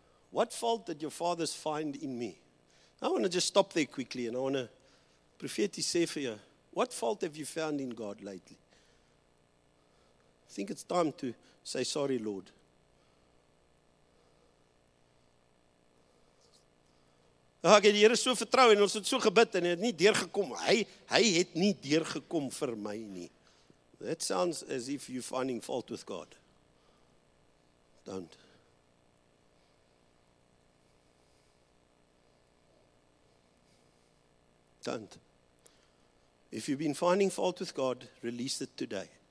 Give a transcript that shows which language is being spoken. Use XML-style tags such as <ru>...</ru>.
<en>What fault did your fathers find in me? I want to just stop there quickly and I want to prophetically say for you, what fault have you found in God lately? I think it's time to say sorry, Lord.</en> <af>Ek het die Here so vertrou en ons het so gebid en hy het nie deurgekom. Hy het nie deurgekom vir my nie.</af> <en>That sounds as if you're finding fault with God. Don't. Don't. If you've been finding fault with God, release it today.</en>